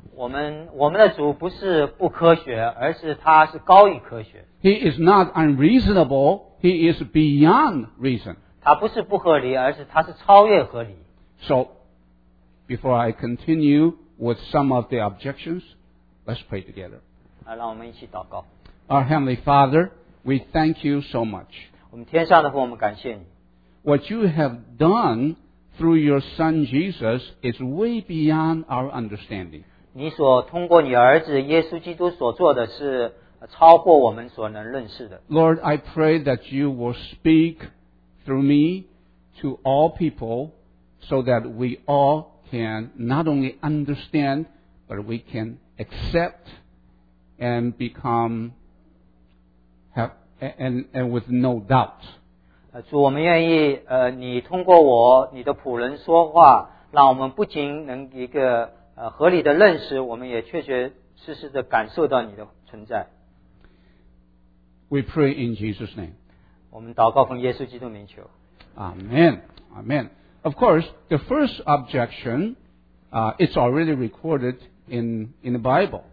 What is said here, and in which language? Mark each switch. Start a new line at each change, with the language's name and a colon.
Chinese: 我们的主不是不科学，而是他是高于科学。
English: He is not unreasonable. He is beyond reason.
Chinese: 他不是不合理，而是他是超越合理。
English: So, before I continue with some of the objections, let's pray together.
Chinese: 让我们一起祷告。
English: Our Heavenly Father,We thank you so much.
Chinese: 我们天上的父，我们感谢你。
English: What you have done through your Son Jesus is way beyond our understanding.
Chinese: 你所通过你儿子耶稣基督所做的是超过我们所能认识的。
English: Lord, I pray that you will speak through me to all people so that we all can not only understand, but we can accept and become... And with no doubt.
Chinese: 主，我们愿意你通过我，你的仆人说话，让我们不仅能一个合理的认识，我们也确确实实的感受到你的存在。
English: We pray in Jesus' name.
Chinese: 我们祷告奉耶稣基督名求。
English: Amen. Amen. Of course, the first objection, it's already recorded in the Bible.